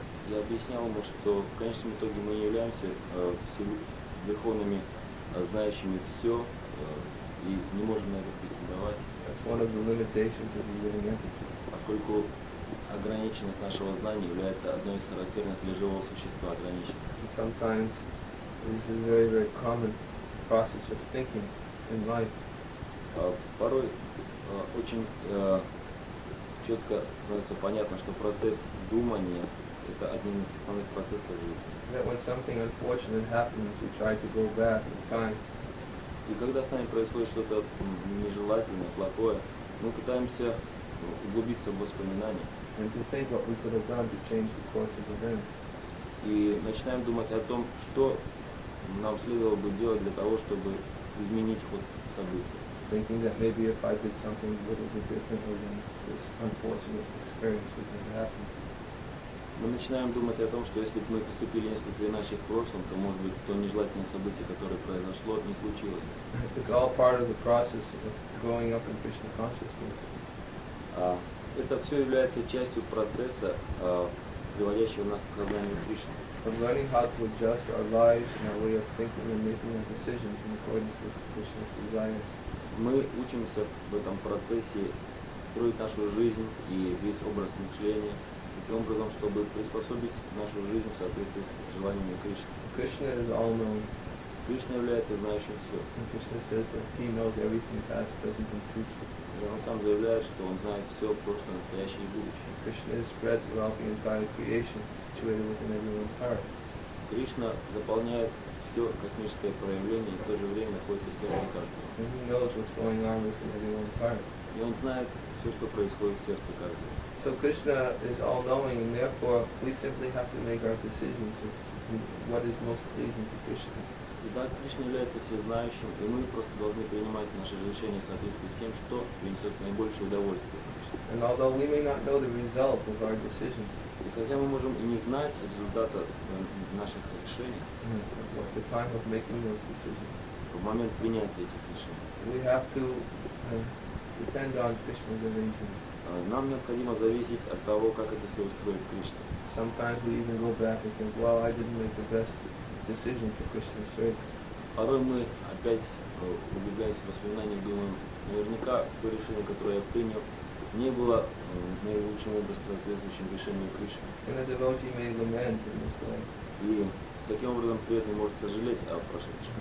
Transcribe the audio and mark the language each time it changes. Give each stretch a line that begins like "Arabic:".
Russian: Я объяснял ему, что в конечном итоге мы не являемся верховными знающими все и не можем на это претендовать.
English: That's one of the limitations of the living entity.
Russian: Поскольку ограниченность нашего знания является одной из характерных для живого существа ограниченности.
English: Sometimes this is a very, very common process of thinking in life.
Russian: Порой очень четко становится понятно, что процесс думания – это один из основных процессов жизни.
English: That when something unfortunate happens, we try to go back in time.
Russian: И когда с нами происходит что-то нежелательное, плохое, мы пытаемся углубиться в воспоминания.
English: And to think what we could have done to change the course of events.
Russian: И начинаем думать о том, что нам следовало бы делать для того, чтобы изменить ход событий.
English: Thinking that maybe if I did something a little bit differently, then this unfortunate experience wouldn't happen.
Russian: Мы начинаем думать о том, что если бы мы поступили несколько иначе в прошлом, то, может быть, то нежелательное событие, которое произошло, не случилось.
English: It's all part of the process of growing up in Krishna consciousness.
Russian: Это все является частью процесса, приводящего нас к сознанию Кришны.
English: From learning how to adjust our lives and our way of thinking and making our decisions in accordance with Krishna's desires.
Russian: Мы учимся в этом процессе строить нашу жизнь и весь образ мышления таким образом, чтобы приспособить нашу жизнь в соответствии с желаниями Кришны.
English: Krishna is all-knowing.
Russian: Кришна является знающим все.
English: And Krishna says that he knows everything past, present and future.
Russian: Он сам заявляет, что он знает все прошлое, настоящее и будущее.
English: Krishna is spread throughout the entire creation, situated within everyone's heart.
Russian: Кришна заполняет все космическое проявление и в то же время находится в сердце каждого.
English: And he knows what's going on within everyone's heart.
Russian: И он знает все, что происходит в сердце каждого.
English: So Krishna is all-knowing, and therefore we simply have to make our decisions of what is most pleasing to Krishna.
Russian: Итак, Кришна является всезнающим, и мы просто должны принимать наши решения в соответствии с тем, что принесет наибольшее удовольствие.
English: And although we may not know the result of our decisions,
Russian: и хотя мы можем и не знать результата наших решений,
English: at the time of making those decisions,
Russian: в момент принятия этих решений,
English: we have to depend on Krishna's arrangement.
Russian: Нам необходимо зависеть от того, как это все устроит Кришна.
English: Sometimes we even go back and think, well, I didn't make the best decision for Krishna's sake.
Russian: Порой мы опять убегаясь в воспоминания, думаем, наверняка то решение, которое я принял, не было наилучшим образом соответствующим решению Кришны.
English: And a devotee may lament in this way.
Russian: И таким образом преданный может сожалеть о прошедшем.